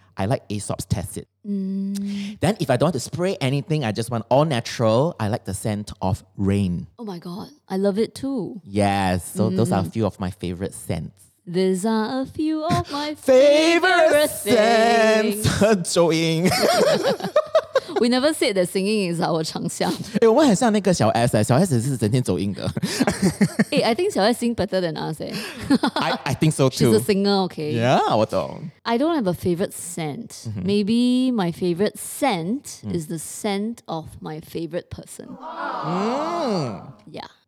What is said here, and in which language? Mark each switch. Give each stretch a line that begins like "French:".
English: I like Aesop's Tacit. Then if I don't want to spray anything, I just want all natural, I like the scent of rain. Oh my God, I love it too. Yes, so those are a few of my favorite scents. These are a few of my favorite scents. Joying. We never said that singing is our 长项.
Chinese: 我们很像那个小 S 小 S 是整天走音的.
English: Hey, I think 小 S sing better than us. I think so too. She's a singer, okay. Yeah,
Chinese: 我懂.
English: I don't have a favorite scent. Mm-hmm. Maybe my favorite scent is the scent of my favorite person. Yeah.